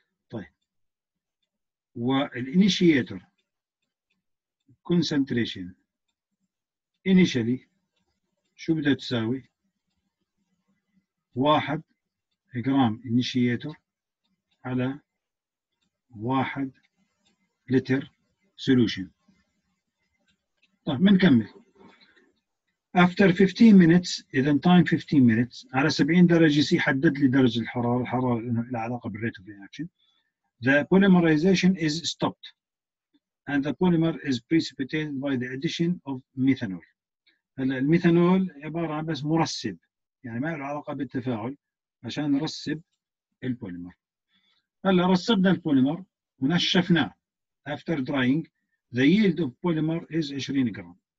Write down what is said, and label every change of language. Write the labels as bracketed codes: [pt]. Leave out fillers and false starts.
[ar] طيب والانيشياتور كونسنتريشن انيشالي شو بدها تساوي؟ 1 جرام انيشياتور على 1 لتر سولوشن. طيب منكمل. [en] After 15 minutes, [ar] إذا [en] time 15 minutes, [ar] على 70 درجة سي حدد لي درجة الحرارة، الحرارة إنه لها علاقة بالـ [en] rate of reaction. The polymerization is stopped and the polymer is precipitated by the addition of methanol. [ar] هلا الميثانول عبارة عن بس مرسب، يعني ما له علاقة بالتفاعل عشان نرسب البوليمر. هلا رسبنا البوليمر ونشفناه. [en] After drying, the yield of polymer is 20 جرام.